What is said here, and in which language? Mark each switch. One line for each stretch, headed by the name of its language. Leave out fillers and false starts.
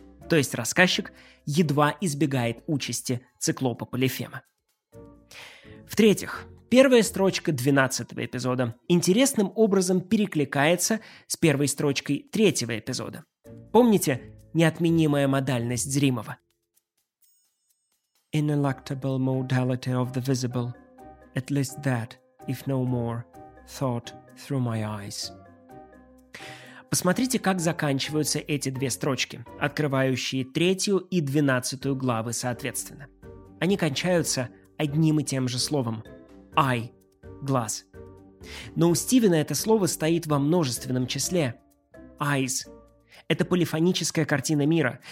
Russian: То есть рассказчик едва избегает участи циклопа Полифема. В-третьих, первая строчка 12-го эпизода интересным образом перекликается с первой строчкой 3-го эпизода. Помните неотменимая модальность зримого?
English: Ineluctable modality of the visible, at least that, if no more, thought through my eyes.
Russian: Посмотрите, как заканчиваются эти две строчки, открывающие 3-ю и 12-ю главы соответственно. Они кончаются одним и тем же словом. «Ай» – «глаз». Но у Стивена это слово стоит во множественном числе. «Айз» – это полифоническая картина мира.